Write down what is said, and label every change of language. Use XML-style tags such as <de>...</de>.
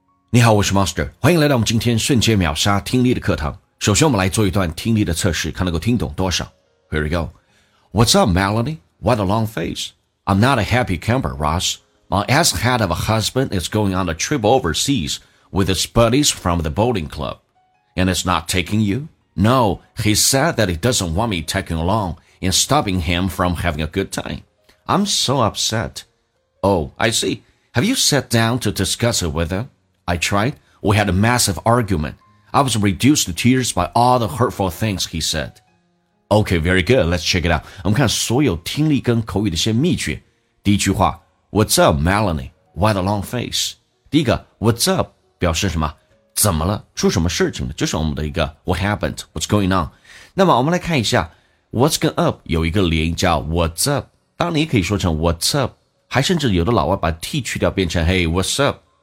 <zh>你好，我是 Master， 欢迎来到我们今天瞬间秒杀听力的课堂。首先我们来做一段听力的测试，看能够听懂多少。</zh> <en>Here we go. What's up, Melanie? What a long face. I'm not a happy camper, Ross. My ass-head of a husband is going on a trip overseas with his buddies from the bowling club. And it's not taking you? No, he said that he doesn't want me taking along and stopping him from having a good time. I'm so upset. Oh, I see. Have you sat down to discuss it with him? I tried. We had a massive argument. I was reduced to tears by all the hurtful things he said. Okay, very good. Let's check it out.</en> <zh>我们看所有听力跟口语的一些秘诀。第一句话</zh> <en>What's up, Melanie? Why the long face?</en> <zh>第一个 What's up 表示什么？怎么了？出什么事情了？就是我们的一个</zh> <en>What happened? What's going on?</en> <zh>那么我们来看一下 What's going up 有一个连音叫 What's up? 当然也可以说成 What's up? 还甚至有的老外把 T 去掉变成</zh> <en>Hey, what's up?</en>